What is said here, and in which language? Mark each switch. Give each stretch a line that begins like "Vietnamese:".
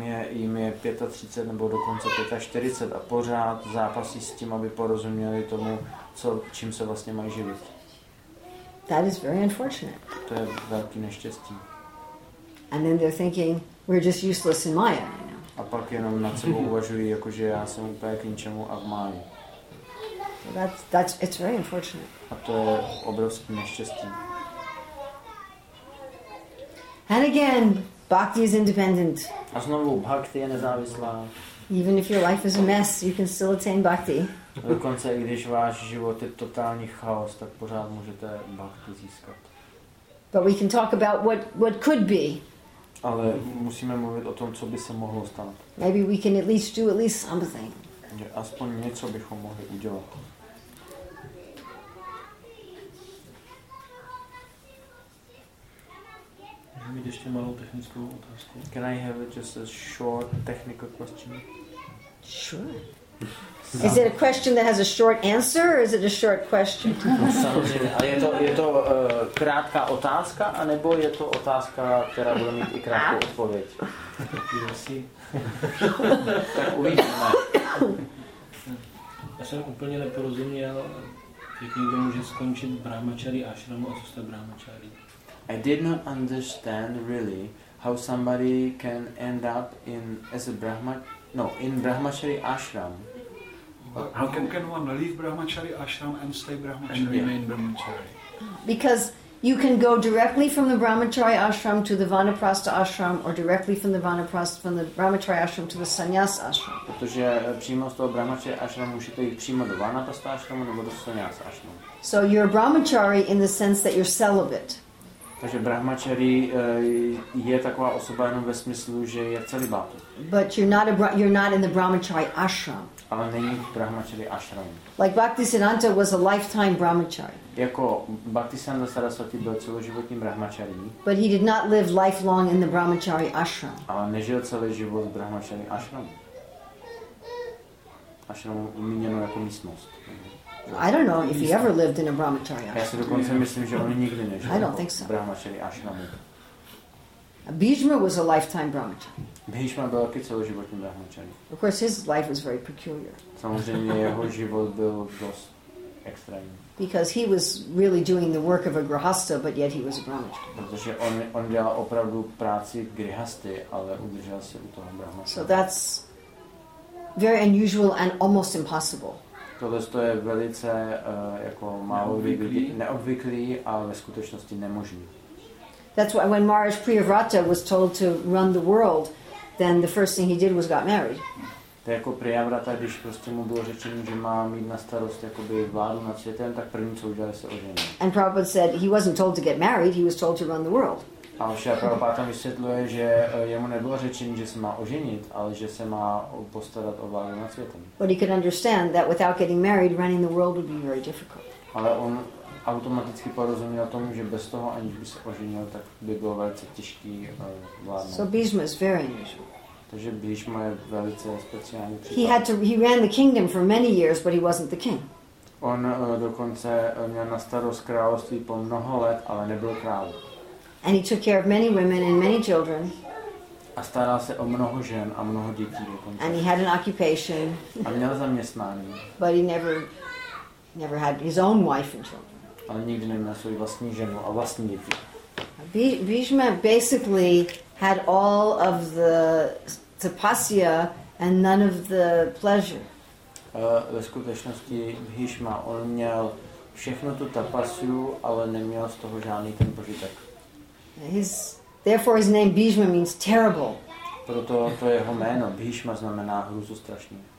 Czech: Jim je 35 nebo dokonce 45 a pořád zápasí s tím, aby porozuměli tomu, čím se vlastně mají živit.
English: That is very unfortunate.
Czech: To je velký neštěstí.
English: And then they're thinking, we're just useless in Maya.
Czech: A pak jenom nad sebou uvažují, jakože já jsem úplně k ničemu a v Maya.
English: That's it's very unfortunate.
Czech: A to je obrovský neštěstí.
English: And again, bhakti is independent.
Czech: A znovu, bhakti je nezávislá.
English: Even if your life is a mess, you can still attain bhakti.
Czech: Dokonce, i když váš život je totální chaos, tak pořád můžete bhakti získat.
English: But we can talk about what could be.
Czech: Ale musíme mluvit o tom, co by se mohlo stát.
English: Maybe we can at least do at least something.
Czech: Aspoň něco bychom mohli udělat. Můžu mít ještě malou technickou otázku?
English: Can I have just a short technical question? Sure. Is it a question that has a short answer or is it a short question?
Czech: Samozřejmě. A je to krátká otázka, anebo je to otázka, která bude mít i krátkou odpověď? Tak uvidíme. Já jsem úplně neporozuměl, jak někdo může skončit brahmačari ashramu a zůstat brahmačari.
English: I did not understand really how somebody can end up in Brahmachari ashram. How can one leave Brahmachari ashram and stay Brahmachari and remain Brahmachari? Because you can go directly from the Brahmachari ashram to the Vanaprastha ashram, or directly from the Brahmachari ashram to the Sannyas ashram.
Czech: Protože přímo z toho Brahmachari ashramu můžete jít přímo do Vanaprastha ashramu nebo do Sannyas ashramu.
English: So you're a Brahmachari in the sense that you're celibate.
Czech: Takže brahmačari je taková osoba jenom ve smyslu, že je celibátní.
English: But you're not in the brahmachari ashram.
Czech: Ale není v brahmachari ashramu.
English: Like Bhaktisiddhanta was a lifetime brahmachari.
Czech: Jako Bhaktisiddhanta Saraswati byl celoživotním brahmachari.
English: But he did not live lifelong in the brahmachari ashram.
Czech: Ale nežil celý život v brahmachari ashramu. Ashramu míněno jako místnost.
English: I don't know if he ever lived in a brahmachari ashram.
Czech: Já si dokonce myslím, že on nikdy nežil.
English: I don't think so.
Czech: Brahmachari ashramu.
English: Bhishma was a lifetime brahmachari.
Czech: Bhishma byl taky celoživotní brahmachari.
English: Of course, his life was very peculiar.
Czech: Samozřejmě jeho život byl dost extrémní.
English: Because he was really doing the work of a grihastha, but yet he was a brahmachari.
Czech: Protože on dělal opravdu práci grihasty, ale udržel se u toho brahmachari.
English: So that's very unusual and almost impossible.
Czech: Tohle je velice jako málo neobvyklý a ve skutečnosti nemožný.
English: That's why when Maharaj Priyavrata was told to run the world, then the first thing he did was got married.
Czech: To jako Priyavrata, když prostě mu bylo řečeno, že má mít na starost jakoby vládu nad světem, tak první co udělal, se oženil.
English: And Prabhupada said he wasn't told to get married, he was told to run the world.
Czech: A však Prabhupada tam vysvětluje, že jemu nebylo řečeno, že se má oženit, ale že se má postarat o vládu nad světem.
English: But he could understand that without getting married, running the world would be very difficult.
Czech: Ale on automaticky porozuměl tomu, že bez toho, aniž by se oženil, tak by bylo velice těžký vládnout.
English: So Bhishma is very unusual.
Czech: Takže Bhishma je velice speciální případ.
English: He ran the kingdom for many years, but he wasn't the king.
Czech: On dokonce měl na starost království po mnoho let, ale nebyl král.
English: And he took care of many women and many children.
Czech: A staral se o mnoho žen a mnoho dětí. Dokonce.
English: And he had an occupation.
Czech: A měl zaměstnání.
English: But he never had his own wife and children.
Czech: Ale nikdy neměl svou vlastní ženu a vlastní děti.
English: Bhishma basically had all of the tapasya and none of the pleasure.
Czech: Ve skutečnosti Bhishma, on měl všechno tu tapasyu, ale neměl z toho žádný ten požitek.
English: Therefore his name Bhishma means terrible.
Czech: Proto to jeho jméno Bhishma znamená hrůzostrašný.